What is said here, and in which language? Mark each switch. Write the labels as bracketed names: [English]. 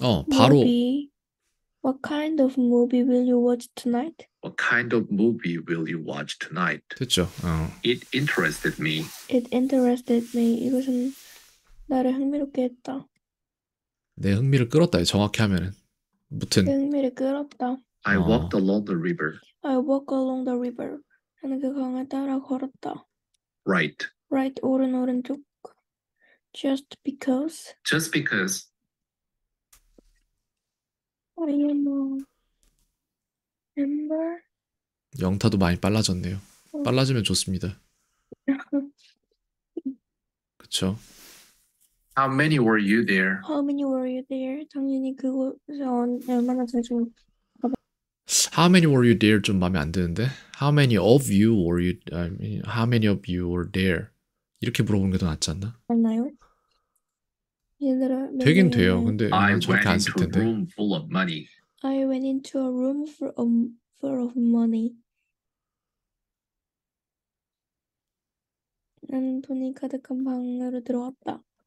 [English] What kind of movie will you watch tonight? What kind of movie will you watch tonight? [Korean] 됐죠. [English] It interested me. It interested me. [Korean] 이것은 나를 흥미롭게 했다. 내 흥미를 끌었다. 정확히 하면은 무튼 흥미를 끌었다. [English] I walked along the river. I walk along the river. [Korean] 나는 그 강을 따라 걸었다. [English] Right. Right, 오른, 오른쪽. Just because. Just because. I am a member. [Korean] 영타도 많이 빨라졌네요. 빨라지면 좋습니다. [English] How [Korean] 그쵸? [English] many were you there? How many were you there? [Korean] 당연히 그곳에 얼마나 자주 [English] How many were you there? [Korean] 좀 마음에 안 드는데. [English] How many of you were you? I mean, how many of you were there? [Korean] 이렇게 물어보는 게 더 낫지 않나? 맞나요? 얘들아, 되긴 돼요. 근데 저렇게 안 쓸 텐데. [English] I went into a room full of money. I went into a room full of money. [Korean] 나는 돈이 가득한 방으로 들어왔다.